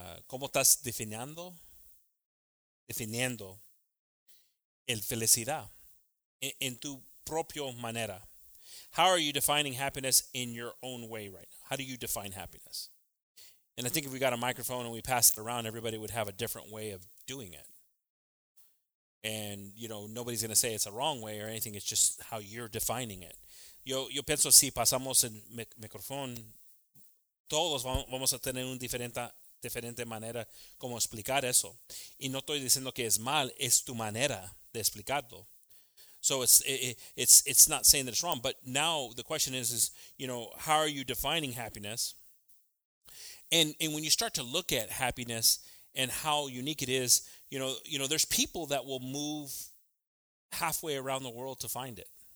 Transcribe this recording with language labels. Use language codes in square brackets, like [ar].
[es] ¿Cómo estás definiendo? Definiendo el felicidad en tu propio manera. [en] How are you defining happiness in your own way right now? How do you define happiness? And I think if we got a microphone and we passed it around, everybody would have a different way of doing it. And, you know, nobody's going to say it's a wrong way or anything. It's just how you're defining it. [es] Yo pienso si pasamos el micrófono, todos vamos a tener una diferente manera como explicar eso. Y no estoy diciendo que es mal, es tu manera de explicarlo. [en] So it's not saying that it's wrong, but now the question is you know, how are you defining happiness? And when you start to look at happiness and how unique it is, you know, there's people that will move halfway around the world to find it.